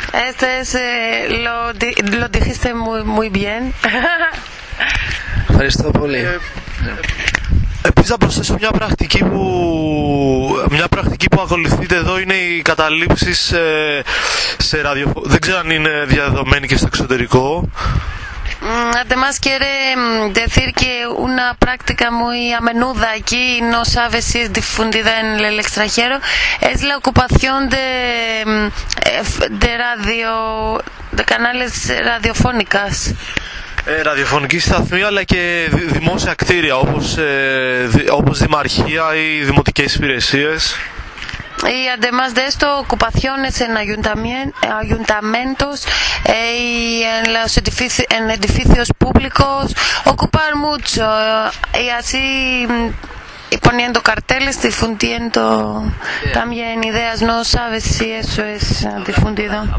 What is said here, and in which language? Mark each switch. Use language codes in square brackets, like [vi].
[es] Este es lo dijiste muy bien. [el] Ευχαριστώ πολύ. Επίσης θα προσθέσω μια πρακτική που ακολουθείτε εδώ είναι οι καταλήψεις σε ραδιοφωνικό. Δεν ξέρω αν είναι διαδεδομένη και στο εξωτερικό. [es] Además quiere decir que una práctica muy a menudo aquí, no sabes si es difundida en el extranjero, es la ocupación de radio, de canales radiofónicas. [el] Ραδιοφωνική σταθμή αλλά και δημόσια κτίρια όπως δημαρχία ή δημοτικές υπηρεσίες. [es] Y además de esto, ocupaciones en ayuntamientos y en los edificios públicos, ocupar mucho y así poniendo carteles, difundiendo también ideas, no sabes si eso es difundido.